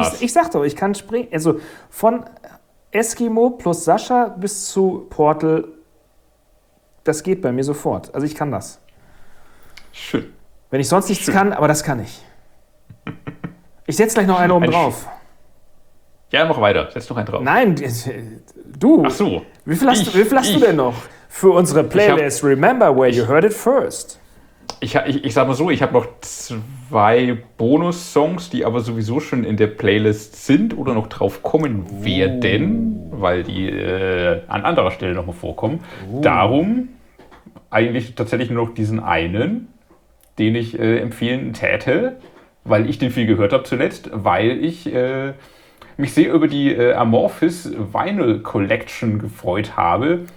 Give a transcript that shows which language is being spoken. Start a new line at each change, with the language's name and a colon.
German: Ich sag doch, ich kann springen. Also von Eskimo plus Sascha bis zu Portal, das geht bei mir sofort. Also ich kann das. Schön. Wenn ich sonst nichts kann, aber das kann ich. Ich setze gleich noch einen oben drauf. Ja, mach weiter. Setz noch einen drauf. Nein, du. Ach so. Wie viel hast du denn noch für unsere Playlist?
English: Remember where you heard it first.
German: Ich sag mal so, ich habe noch zwei Bonus-Songs, die aber sowieso schon in der Playlist sind oder noch drauf kommen werden, weil die an anderer Stelle nochmal vorkommen. Darum eigentlich tatsächlich nur noch diesen einen, den ich empfehlen täte, weil ich den viel gehört habe zuletzt, weil ich mich sehr über die Amorphis Vinyl Collection gefreut habe.